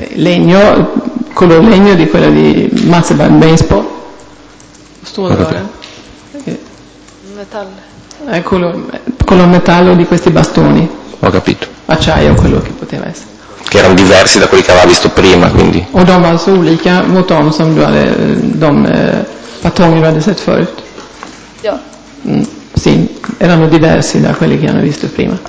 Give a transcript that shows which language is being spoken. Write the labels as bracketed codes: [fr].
[it] Legno, color legno di quella di mazza da baseball. [sv] Stålrören. Metall. [it] Color metallo di questi bastoni. Ho capito. Acciaio, quello che poteva essere. Che erano diversi da quelli che aveva visto prima, quindi. [sv] O de var så olika mot dem som du hade de batonger du hade sett förut. Ja. [it] Sì, erano diversi da quelli che hanno visto prima.